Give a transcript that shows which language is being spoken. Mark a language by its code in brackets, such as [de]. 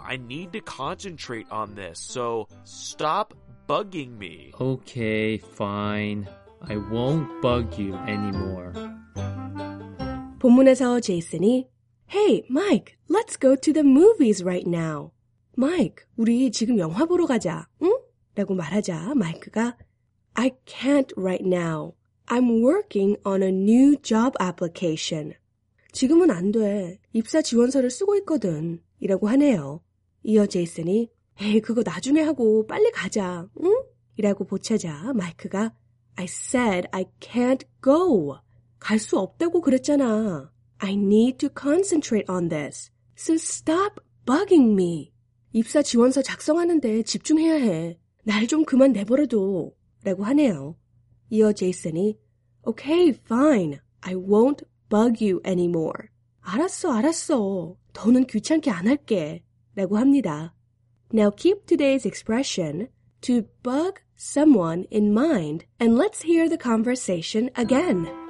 [en] I need to concentrate on this, so stop bugging me. Okay, fine. I won't bug you anymore. [ko] 본문에서 제이슨이 [en] Hey, Mike, let's go to the movies right now. [ko] Mike, 우리 지금 영화 보러 가자, 응? 라고 말하자 마이크가 [en] I can't right now. I'm working on a new job application. [ko] 지금은 안 돼. 입사 지원서를 쓰고 있거든. 이라고 하네요. 이어 제이슨이 [en] Hey, [ko] 그거 나중에 하고 빨리 가자, 응? 이라고 보채자 마이크가 [en] I said I can't go. [ko] 갈 수 없다고 그랬잖아. [en] I need to concentrate on this. So stop bugging me. [ko] 입사 지원서 작성하는데 집중해야 해. 날 좀 그만 내버려둬. 라고 하네요. 이어 제이슨이 [en] Okay, fine. I won't bug you anymore. [ko] 알았어, 알았어. 더는 귀찮게 안 할게. 라고 합니다. [en] Now keep today's expression to bug someone in mind, and let's hear the conversation again.